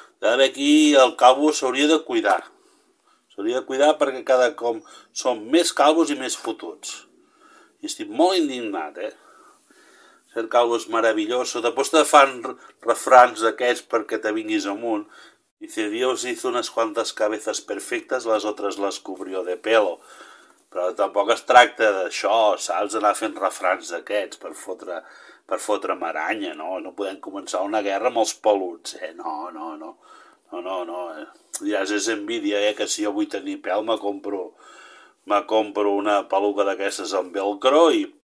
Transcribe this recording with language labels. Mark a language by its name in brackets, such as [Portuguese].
[Catalan] D'haver aquí el calvo s'hauria de cuidar. S'hauria de cuidar perquè cada cop som més calvos i més fotuts. I estic molt indignat, eh? Ser calvo és meravellós. Després te fan refrans d'aquests perquè te vinguis amunt. [Spanish] I si Dios hizo unas cuantas cabezas perfectas, [Catalan] les altres les [Spanish] cubrió de pelo. [Catalan] Però tampoc es tracta d'això, saps? Anar fent refrans d'aquests per fotre maranya, no? No podem començar una guerra amb els peluts, eh? No, no, no. No, no, no. Ja és envidia, que si jo vull tenir pèl, me compro una peluca d'aquestes amb velcro i...